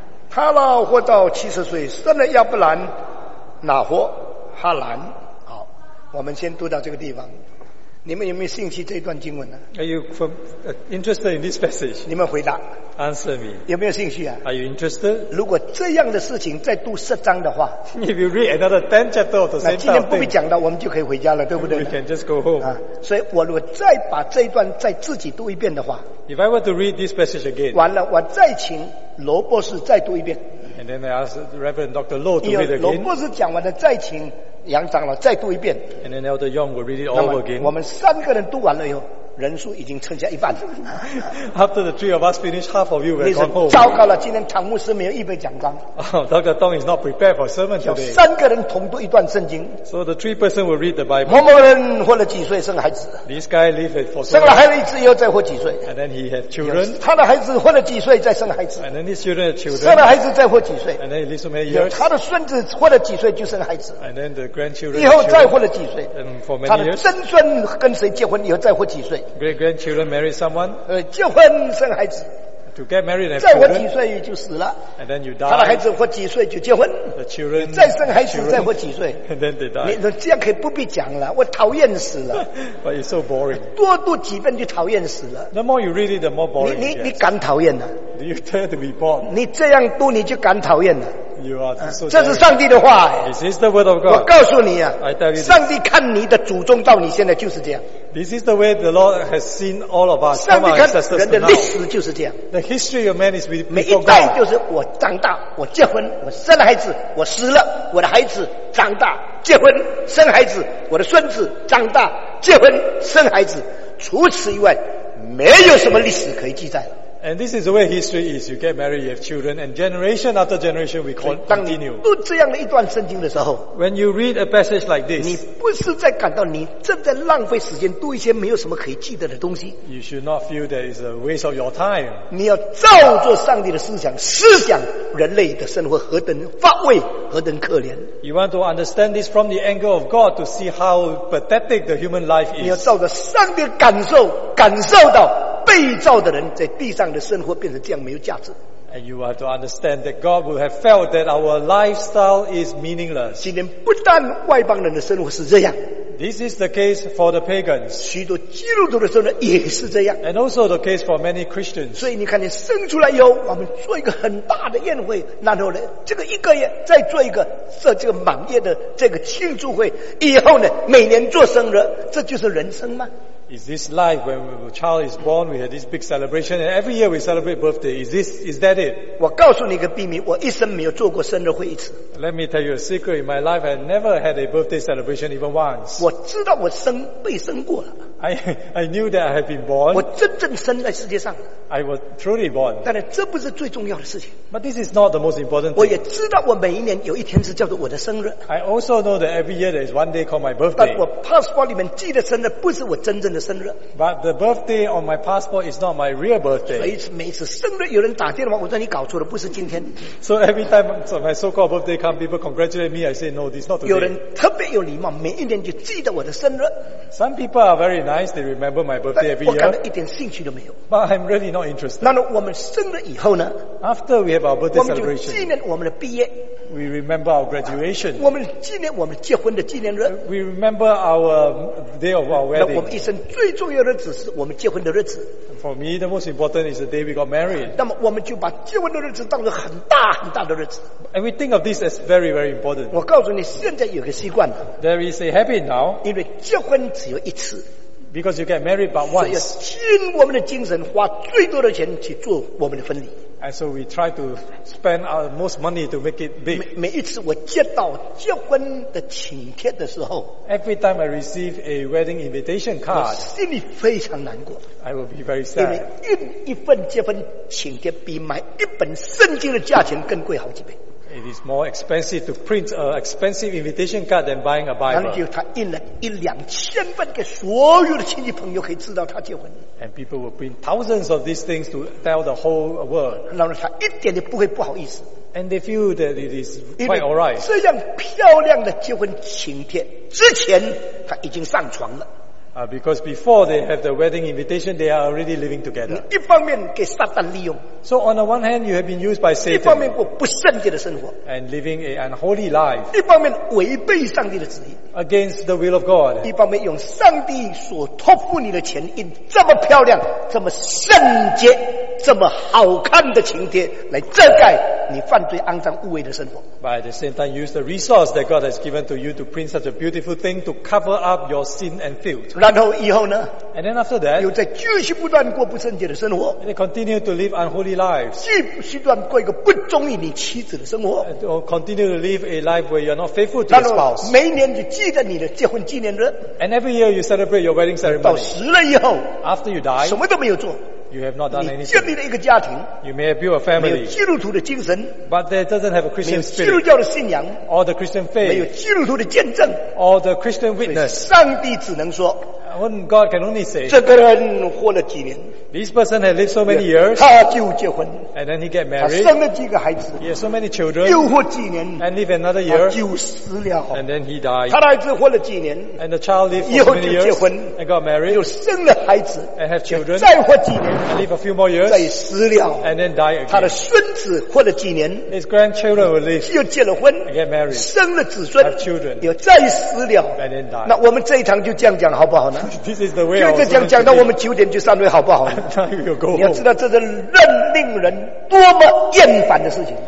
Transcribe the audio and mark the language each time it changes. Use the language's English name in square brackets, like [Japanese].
[Chinese] 塔拉活到七十岁生了亚伯兰拿活哈兰好我们先读到这个地方你们有没有兴趣这一段经文呢？ [English] Are you interested in this passage? [Chinese] 你们回答。 [English] Answer me. [Chinese] 有没有兴趣啊？ [English] Are you interested? [Chinese] 如果这样的事情再读十章的话， [English] If you read another 10 chapter of the same thing, [Chinese] 那今天不必讲了，我们就可以回家了，对不对？ [English] We can just go home. 啊， [Chinese] 所以我如果再把这一段再自己读一遍的话， [English] If I were to read this passage again, [Chinese] 完了，我再请罗博士再读一遍。 [English] And then I ask Reverend Dr. Low to read again. [Chinese] 罗博士讲完了，再请杨长老再读一遍。 [English] And then Elder Young will read it all again. [Chinese] 我们三个人读完了以后，人数已经剩下一半了。 [English] After the three of us finish, half of you will come home. [Chinese] 糟糕了，今天唐牧师没有预备讲章。 [English] Oh, Dr. Dong is not prepared for sermon today. [Chinese] 三个人同读一段圣经。 [English] So the three person will read the Bible. [Chinese] 某某人活了几岁生孩子。 [English] This guy lived for [Chinese] 生了孩子又再活几岁。 [English] And then he had children. [Chinese] 他的孩子活了几岁再生孩子。 [English] And then his children had children. [Chinese] 生了孩子再活几岁。 [English] And then he lived so many years. [Chinese] 他的孙子活了几岁就生孩子。 [English] And then the grandchildren. [Chinese] 以后再活了几岁。 [English] And for many years. [Chinese] 他的曾孙跟谁结婚以后再活几岁。 [English] Great grandchildren marry someone. [Chinese] 结婚生孩子。 [English] To get married and [Chinese] 再活几岁就死了。 [English] And then you die. [Chinese] 他的孩子活几岁就结婚。 [English] The children. [Chinese] 再生孩子再活几岁。 [English] And then they die. [Chinese] 你这样可以不必讲了，我讨厌死了。 [English] But it's so boring. [Chinese] 多读几遍就讨厌死了。 [English] The more you read it, the more boring. [Chinese] 你敢讨厌了？ [English] Do you dare to be bored? [Chinese] 你这样读你就敢讨厌了。 [English] You are so [Chinese] 这是上帝的话。 [English] This is the word of God. [Chinese] 我告诉你啊， [English] I tell you [Chinese] 上帝看你的祖宗到你现在就是这样。 [English] This is the way the Lord has seen all of us. [Chinese] 上帝看人的历史就是这样。 [English] The history of man is with God. [Chinese] 每一代就是我长大，我结婚，我生了孩子，我死了，我的孩子长大，结婚，生孩子，我的孙子长大，结婚，生孩子。除此以外，没有什么历史可以记载了。 [English] And this is the way history is. You get married, you have children, and generation after generation, we continue. [Chinese] 当你读这样的一段圣经的时候， [English] when you read a passage like this, [Chinese] 你不是在感到你正在浪费时间读一些没有什么可以记得的东西。 [English] You should not feel that it's a waste of your time. [Chinese] 你要照着上帝的思想，思想人类的生活何等乏味，何等可怜。 [English] You want to understand this from the angle of God to see how pathetic the human life is. [Chinese] 你要照着上帝的感受，感受到被造的人在地上的生活变成这样没有价值。 [English] And you have to understand that God would have felt that our lifestyle is meaningless. [Chinese] 今天不但外邦人的生活是这样。 [English] This is the case for the pagans. [Chinese] 许多基督徒的生活也是这样。 [English] And also the case for many Christians. [Chinese] 所以你看你生出来以后，我们做一个很大的宴会，然后呢，这个一个月再做一个这个满月的这个庆祝会，以后呢，每年做生日，这就是人生吗？ [English] Is this life when a child is born, we have this big celebration, and every year we celebrate birthday? Is that it? [Chinese] 我告诉你个秘密，我一生没有做过生日会一次。 [English] Let me tell you a secret. In my life, I never had a birthday celebration even once. [Chinese] 我知道我生被生过了。 [English] I knew that I had been born. [Chinese] 我真正生在世界上。 [English] I was truly born. [Chinese] 但是这不是最重要的事情。 [English] But this is not the most important thing. [Chinese] 我也知道我每一年有一天是叫做我的生日。 [English] I also know that every year there is one day called my birthday. [Chinese] 但我 passport 里面记得生日不是我真正的生日。 [English] But the birthday on my passport is not my real birthday. [Chinese] 所以每次生日有人打电话，我说你搞错了，不是今天。 [English] So every time my so-called birthday comes, people congratulate me, I say no, this is not today. [Chinese] 有人特别有礼貌，每一年就记得我的生日。 [English] Some people are very nice, they remember my birthday every year. [Chinese] 我感到一点兴趣都没有。 [English] But I'm really not interested. [Chinese] 那么我们生日以后呢？ [English] After we have our birthday celebration, [Chinese] 我们就纪念我们的毕业。 [English] We remember our graduation. [Chinese] 我们纪念我们结婚的纪念日。 [English] We remember our day of our wedding. [Chinese] 那我们一生最重要的日子是我们结婚的日子。 [English] For me, the most important is the day we got married. [Chinese] 那么我们就把结婚的日子当作很大很大的日子。 [English] And we think of this as very, very important. [Chinese] 我告诉你，现在有个习惯。 [English] There is a habit now. [Chinese] 因为结婚只有一次。 [English] Because you get married but once. [Chinese] 所以要倾我们的精神，花最多的钱去做我们的婚礼。 [English] And so we try to spend our most money to make it big. [Chinese] 每一次我接到结婚的请帖的时候， [English] every time I receive a wedding invitation card, [Chinese] 我心里非常难过。 [English] I will be very sad. [Chinese] 因为一份结婚请帖比买一本圣经的价钱更贵好几倍。 [English] It is more expensive to print an expensive invitation card than buying a Bible. [Chinese] 然后就他印了一两千份给所有的亲戚朋友可以知道他结婚。 [English] And people will print thousands of these things to tell the whole world. [Chinese] 然后他一点也不会不好意思。 [English] And they feel that it is quite alright. [Chinese] 这样漂亮的结婚请帖之前他已经上床了。 [English] Because before they have the wedding invitation, they are already living together. [Chinese] 一方面给撒旦利用, [English] so on the one hand, you have been used by Satan. [Chinese] 一方面不圣洁的生活, [English] and living an unholy life. [Chinese] 一方面违背上帝的旨意, [English] against the will of God. [Chinese] 一方面用上帝所托付你的钱,印这么漂亮,这么圣洁,这么好看的请帖,来遮盖你犯罪肮脏污秽的生活。 [English] But at the same time, use the resource that God has given to you to print such a beautiful thing to cover up your sin and filth. [Chinese] 然后以后呢, [English] and then after that, [Chinese] 又在继续不断过不圣洁的生活, [English] and they continue to live unholy lives. [Chinese] 继续不断过一个不忠于你妻子的生活, [English] and continue to live a life where you are not faithful to your spouse. [Chinese] 每年就记得你的结婚纪念日, [English] and every year you celebrate your wedding ceremony. [Chinese] 到死了以后, [English] after you die, [Chinese] 什么都没有做, [English] you have not done anything. [Chinese] 你建立了一个家庭, [English] you may have built a family. [Chinese] 没有基督徒的精神, [English] but there doesn't have a Christian spirit. [Chinese] 没有基督教的信仰, [English] or the Christian faith. [Chinese] 没有基督徒的见证, [English] or the Christian witness. [Chinese] 上帝只能说, [English] when God can only say, [Chinese] 这个人活了几年, [English] this person had lived so many years, [Chinese] 他就结婚, [English] and then he get married, [Chinese] 他生了几个孩子, [English] he has so many children, [Chinese] 又活几年, [English] and live another year, [Chinese] 他就死了, [English] and then he died, [Chinese] 他的孩子活了几年, [English] and the child lived for [Chinese] 又结婚, [English] many years, [Chinese] 结婚, [English] and got married, [Chinese] 又生了孩子, [English] and have children, [Chinese] 再活几年, [English] and live a few more years, [Chinese] 再死了, [English] and then die again. [Chinese] 他的孙子活了几年, [English] his grandchildren will live, [Chinese] 又结了婚, [English] and get married, [Chinese] 生了子孙, [English] have children, [Chinese] 又再死了, [English] and then die. [Chinese] 那我们这一堂就这样讲好不好? [English] This is the way. [Chinese] 就这样讲到我们九点就散会好不好? [English] Now you go. [Chinese] 你要知道这是任令人多么厌烦的事情。